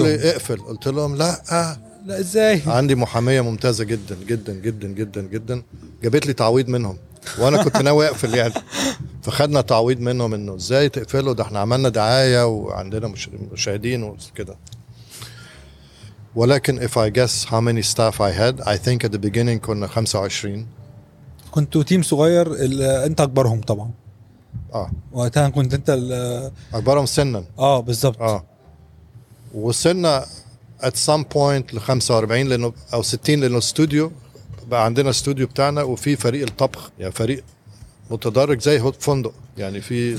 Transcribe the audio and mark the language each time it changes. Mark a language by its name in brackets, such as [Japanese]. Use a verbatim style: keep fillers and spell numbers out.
[Arabic] قالوا لي اقفل, قلت لهم لا آه. لا ازاي, عندي محامية ممتازة جدا جدا جدا جدا جدا جابت لي تعويض منهم وانا كنت ناوي اقفل يعني, فخدنا تعويض منهم انه ازاي تقفلوا ده احنا عملنا دعاية وعندنا مشاهدين وكده. [English] ولكن if I guess how many staff I had, I think at the beginning [Arabic] كنا خمسة وعشرين. كنتوا تيم صغير, انت اكبرهم طبعا. اه وقتها كنت انت اكبرهم سنا. اه بالظبط. اه وصلنا [English] at some point [Arabic] ل خمسة وأربعين لانه او ستين لانه استوديو بقى عندنا, استوديو بتاعنا وفي فريق الطبخ, يعني فريق متدرج زي هوت فندق يعني, في